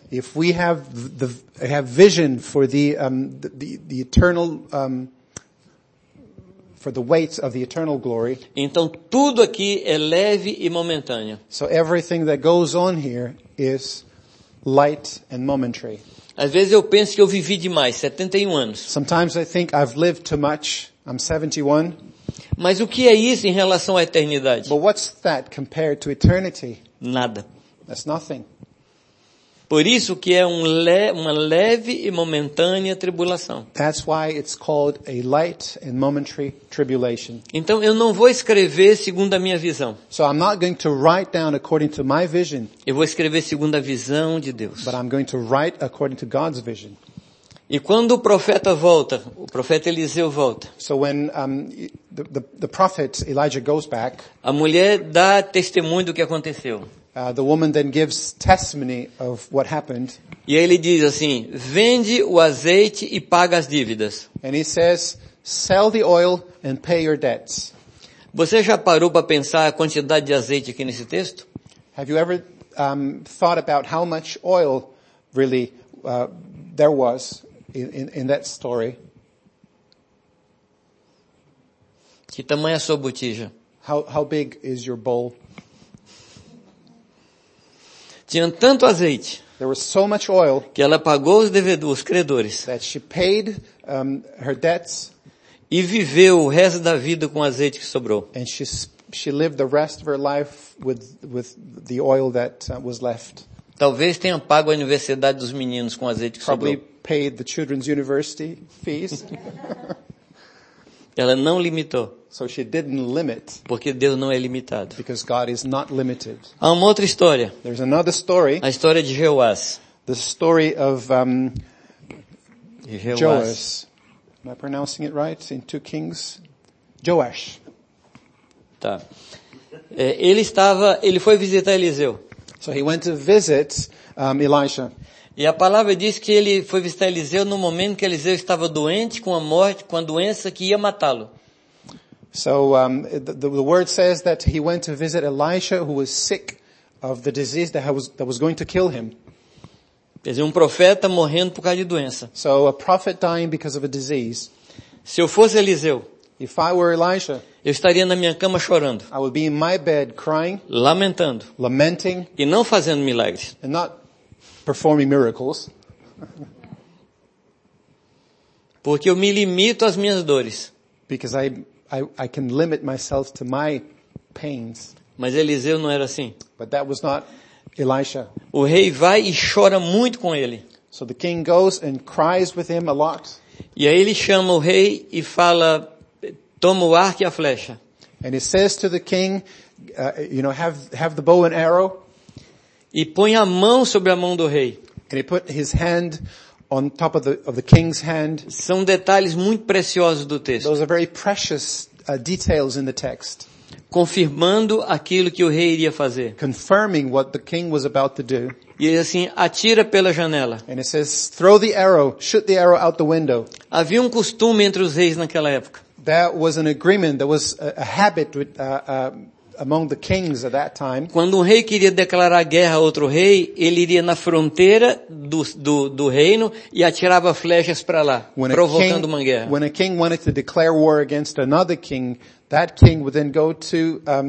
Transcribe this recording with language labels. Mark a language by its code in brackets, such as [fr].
[en] if we have vision for the eternal for the weight of the eternal glory, [pt] então tudo aqui é leve e momentâneo. [en] So everything that goes on here is light and momentary. [pt] Às vezes eu penso que eu vivi demais, 71 anos. [en] Sometimes I think I've lived too much. I'm 71. [pt] Mas o que é isso em relação à eternidade? [en] But what's that compared to eternity? [pt] Nada. [en] That's nothing. [pt] Por isso que é uma leve e momentânea tribulação. [en] That's why it's called a light and momentary tribulation. [pt] Então eu não vou escrever segundo a minha visão. [en] So I'm not going to write down according to my vision. [pt] Eu vou escrever segundo a visão de Deus. [en] But I'm going to write according to God's vision. [pt] E quando o profeta volta, o profeta Eliseu volta. [en] So when the prophet Elijah goes back, [pt] a mulher dá testemunho do que aconteceu. [en] The woman then gives testimony of what happened. [pt] E ele diz assim: vende o azeite e paga as dívidas. [en] And he says, Sell the oil and pay your debts. [pt] Você já parou para pensar a quantidade de azeite aqui nesse texto? [en] Have you ever thought about how much oil really there was in that story? [pt] Que tamanho é a sua botija? [en] How big is your bowl? [pt] Tinha tanto azeite. [en] There was so much oil. [pt] Que ela pagou os devedores, os credores. [en] That she paid her debts. [pt] E viveu o resto da vida com o azeite que sobrou. [en] And she lived the rest of her life with the oil that was left. [pt] Talvez tenha pago a universidade dos meninos com o azeite que [en] Probably [pt] sobrou. [en] Probably paid the children's university fees. [pt] Ela não limitou. [en] So she didn't limit. [pt] Porque Deus não é limitado. [en] Because God is not limited. [pt] Há uma outra história. [en] There's another story. [pt] A história de Jeoás. [en] The story of [pt] Jeoás. [en] Am I pronouncing it right? In 2 Kings, Joash. [pt] Tá. Ele foi visitar Eliseu. [en] So he went to visit Elijah. [pt] E a palavra diz que ele foi visitar Eliseu no momento que Eliseu estava doente com a morte, com a doença que ia matá-lo. [en] So the word says that he went to visit Elijah, who was sick of the disease that was going to kill him. [pt] Quer dizer, um profeta morrendo por causa de doença. [en] So a prophet dying because of a disease. [pt] Se eu fosse Eliseu, [en] if I were Elijah, [pt] eu estaria na minha cama chorando. [en] I would be in my bed crying, [pt] lamentando, [en] lamenting, [pt] e não fazendo milagres. [en] And not performing miracles. [pt] Porque eu me limito às minhas dores. [en] Because I can limit myself to my pains. [pt] Mas Eliseu não era assim. [en] But that was not Elisha. [pt] O rei vai e chora muito com ele. [en] So the king goes and cries with him a lot. [pt] E aí ele chama o rei e fala, toma o arco e a flecha. [en] And he says to the king, you know, have the bow and arrow. [pt] E põe a mão sobre a mão do rei. [en] And he put his hand on top of the king's hand. [pt] São detalhes muito preciosos do texto. [en] Those are very precious details in the text. [pt] Confirmando aquilo que o rei iria fazer. [en] Confirming what the king was about to do. [pt] E ele assim, atira pela janela. [en] And it says, throw the arrow, shoot the arrow out the window. [pt] Havia um costume entre os reis naquela época. [en] There was an agreement, there was a habit with among the kings at that time. [pt] Quando um rei queria declarar guerra a outro rei, ele iria na fronteira do reino e atirava flechas para lá, provocando uma guerra. [en] When a king wanted to declare war against another king, that king would then go to